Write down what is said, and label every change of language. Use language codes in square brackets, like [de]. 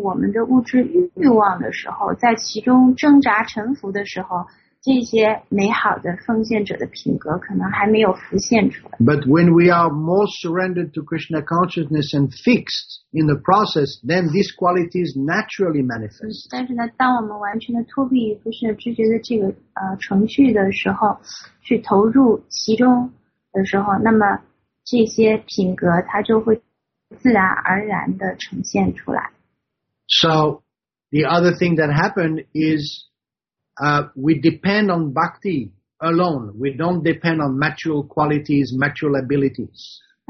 [zh] 当我们还在纠缠于我们的物质欲望的时候, 在其中挣扎沉浮的时候, 这些美好的奉献者的品格可能还没有浮现出来。 [en] But when we are more surrendered to Krishna consciousness and fixed in the process, then these qualities naturally manifest. [zh] 但是呢，当我们完全的脱离不是知觉的这个程序的时候，去投入其中的时候，那么这些品格它就会自然而然的呈现出来。 [en] So the other thing that happened is we depend on bhakti alone. We don't depend on material qualities, material abilities.